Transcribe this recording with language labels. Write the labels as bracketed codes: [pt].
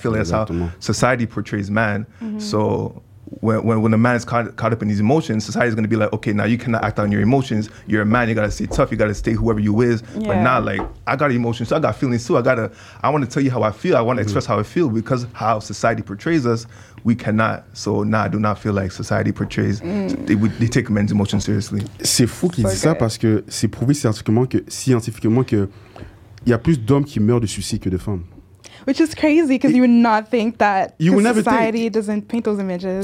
[en] And I feel like that's how society portrays man. Mm-hmm. So when a man is caught up in these emotions, society is going to be like, okay, now you cannot act on your emotions. You're a man. You got to stay tough. You got to stay whoever you is. Yeah. But not like, I got emotions, so I got feelings too. I want to tell you how I feel. I want to express how I feel, because how society portrays us, we cannot. So I do not feel like society portrays, they take men's emotions seriously. [fr] C'est fou qu'il dit ça parce que c'est prouvé scientifiquement que il y a plus d'hommes qui meurent de suicide que de femmes. [en] Which is crazy, because you would not think that society doesn't paint those images.